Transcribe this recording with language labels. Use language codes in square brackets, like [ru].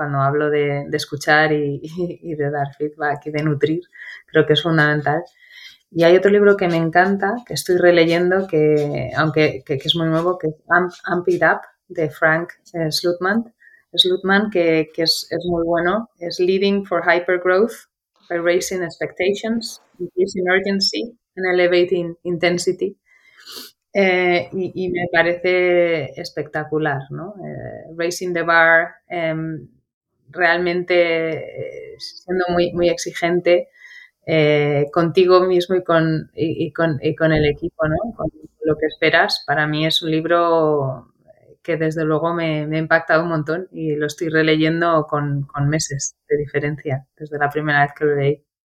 [es] Cuando hablo de escuchar y de dar feedback y de nutrir, creo que es fundamental. Y hay otro libro que me encanta, que estoy releyendo, que es muy nuevo, que es Amp It Up, de Frank Slootman, que es muy bueno. [en] Es Leading for Hypergrowth by Raising Expectations, Increasing Urgency and Elevating Intensity. [es] Y me parece espectacular, ¿no? [en] Raising the bar, [es] realmente siendo muy, muy exigente contigo mismo y con el equipo, ¿no? Con lo que esperas. Para mí es un libro que desde luego me ha impactado un montón y lo estoy releyendo con meses de diferencia desde la primera vez que lo leí.